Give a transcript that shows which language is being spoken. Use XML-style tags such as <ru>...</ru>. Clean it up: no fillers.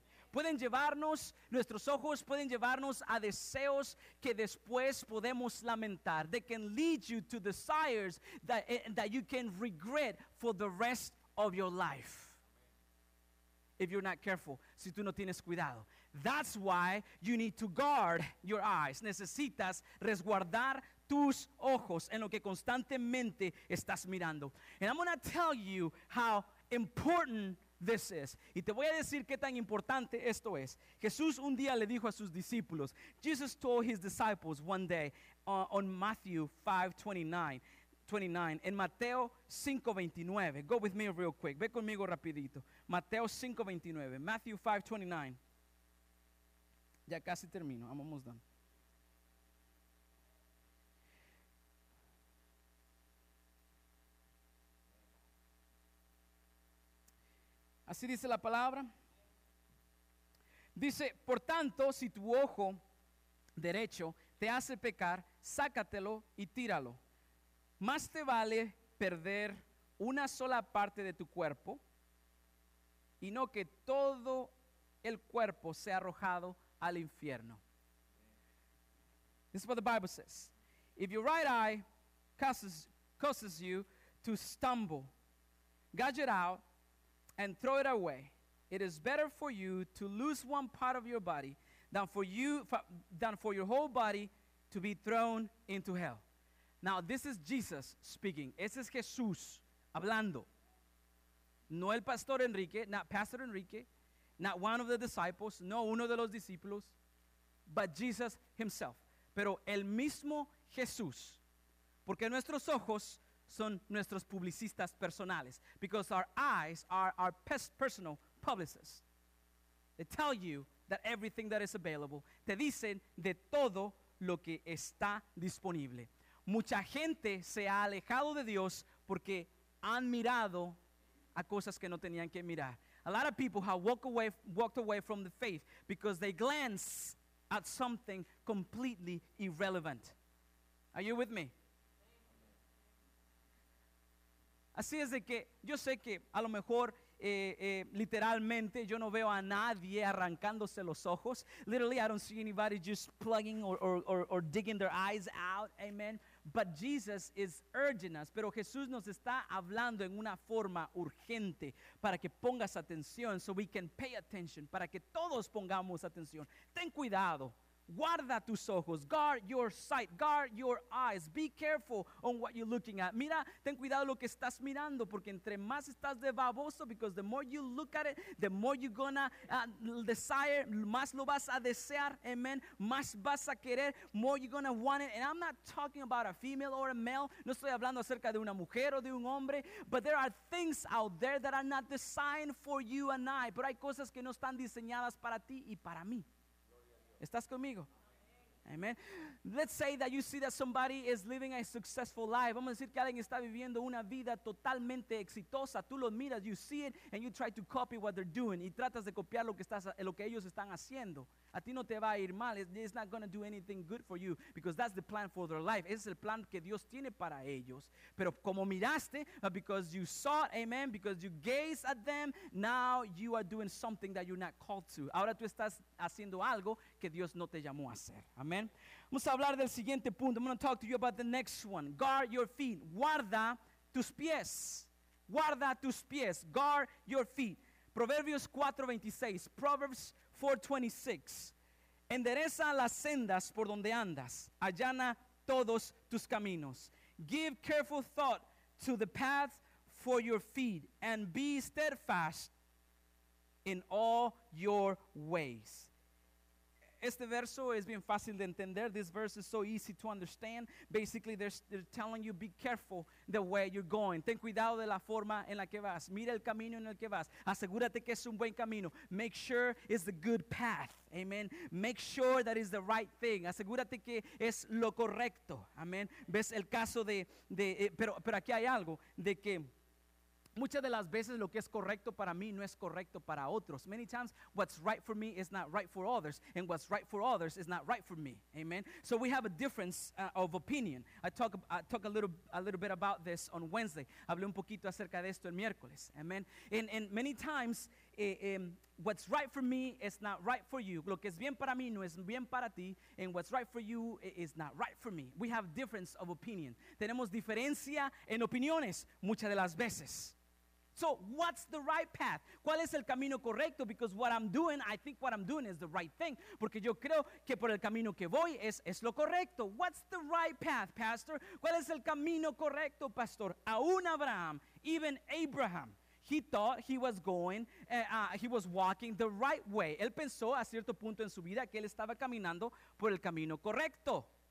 <es>Pueden llevarnos, nuestros ojos pueden llevarnos a deseos que después podemos lamentar.</es> <en>They can lead you to desires that you can regret for the rest of your life. If you're not careful,</en> <es>si tú no tienes cuidado.</es> <en>That's why you need to guard your eyes.</en> <es>Necesitas resguardar tus ojos en lo que constantemente estás mirando.</es> <en>And I'm going to tell you how important this is.</en> <es>Y te voy a decir qué tan importante esto es. Jesús un día le dijo a sus discípulos.</es> <en>Jesus told his disciples one day on Matthew 5:29.</en> <es>En Mateo 5:29.</es> <en>Go with me real quick.</en> <es>Ve conmigo rapidito. Mateo 5:29. Matthew 5:29. Ya casi termino.</es> <en>I'm almost done.</en> <es>Así dice la palabra. Dice, por tanto, si tu ojo derecho te hace pecar, sácatelo y tíralo. Más te vale perder una sola parte de tu cuerpo y no que todo el cuerpo sea arrojado al infierno.</es> <en>This is what the Bible says. If your right eye causes you to stumble, gouge it out, and throw it away. It is better for you to lose one part of your body than for your whole body to be thrown into hell. Now, this is Jesus speaking.</en> <es>Ese es Jesús hablando. No el Pastor Enrique,</es> <en>not Pastor Enrique, not one of the disciples,</en> <es>no uno de los discípulos,</es> <en>but Jesus himself.</en> <es>Pero el mismo Jesús, porque nuestros ojos son nuestros publicistas personales.</es> <en>Because our eyes are our personal publicists. They tell you that everything that is available.</en> <es>Te dicen de todo lo que está disponible. Mucha gente se ha alejado de Dios porque han mirado a cosas que no tenían que mirar.</es> <en>A lot of people have walked away from the faith because they glance at something completely irrelevant. Are you with me?</en> <es>Así es de que yo sé que a lo mejor literalmente yo no veo a nadie arrancándose los ojos.</es> <en>Literally, I don't see anybody just plugging or digging their eyes out. Amen. But Jesus is urging us.</en> <es>Pero Jesús nos está hablando en una forma urgente para que pongas atención,</es> <en>so we can pay attention,</en> <es>para que todos pongamos atención. Ten cuidado. Guarda tus ojos.</es> <en>Guard your sight. Guard your eyes. Be careful on what you're looking at.</en> <es>Mira, ten cuidado lo que estás mirando, porque entre más estás de baboso,</es> <en>because the more you look at it, the more you're gonna desire,</en> <es>más lo vas a desear,</es> <en>amen,</en> <es>más vas a querer,</es> <en>more you're gonna want it. And I'm not talking about a female or a male.</en> <es>No estoy hablando acerca de una mujer o de un hombre,</es> <en>but there are things out there that are not designed for you and I.</en> <es>Pero hay cosas que no están diseñadas para ti y para mí. ¿Estás conmigo? Amen.</es> <en>Let's say that you see that somebody is living a successful life.</en> <es>Vamos a decir que alguien está viviendo una vida totalmente exitosa. Tú lo miras,</es> <en>you see it, and you try to copy what they're doing.</en> <es>Y tratas de copiar lo que ellos están haciendo. A ti no te va a ir mal.</es> <en>It's not going to do anything good for you, because that's the plan for their life.</en> <es>Ese es el plan que Dios tiene para ellos. Pero como miraste,</es> <en>because you saw it, amen, because you gazed at them, now you are doing something that you're not called to.</en> <es>Ahora tú estás haciendo algo que Dios no te llamó a hacer.</es> <en>Amen.</en> <es>Vamos a hablar del siguiente punto.</es> <en>I'm going to talk to you about the next one. Guard your feet.</en> <es>Guarda tus pies. Guarda tus pies.</es> <en>Guard your feet. Proverbios 4:26. Proverbs 4:26.</en> <es>Endereza las sendas por donde andas. Allana todos tus caminos.</es> <en>Give careful thought to the path for your feet, and be steadfast in all your ways.</en> <es>Este verso es bien fácil de entender.</es> <en>This verse is so easy to understand. Basically, they're telling you, be careful the way you're going.</en> <es>Ten cuidado de la forma en la que vas. Mira el camino en el que vas. Asegúrate que es un buen camino.</es> <en>Make sure it's the good path.</en> <es>Amen.</es> <en>Make sure that it's the right thing.</en> <es>Asegúrate que es lo correcto.</es> <en>Amen.</en> <es>Ves el caso pero aquí hay algo de que muchas de las veces lo que es correcto para mí no es correcto para otros.</es> <en>Many times what's right for me is not right for others, and what's right for others is not right for me. Amen. So we have a difference of opinion. I talk a little bit about this on Wednesday.</en> <es>Hablé un poquito acerca de esto el miércoles.</es> <en>Amen. And many times what's right for me is not right for you.</en> <es>Lo que es bien para mí no es bien para ti.</es> <en>And what's right for you is not right for me. We have difference of opinion.</en> <es>Tenemos diferencia en opiniones muchas de las veces.</es> <en>So what's the right path?</en> <es>¿Cuál es el camino correcto?</es> <en>Because what I'm doing, I think what I'm doing is the right thing.</en> <es>Porque yo creo que por el camino que voy es lo correcto.</es> <en>What's the right path, Pastor?</en> <es>¿Cuál es el camino correcto, Pastor? Aún Abraham,</es> <en>even Abraham, he thought he was going, he was walking the right way.</en> <es>Él pensó a cierto punto en su vida que él estaba caminando por el camino correcto.</es>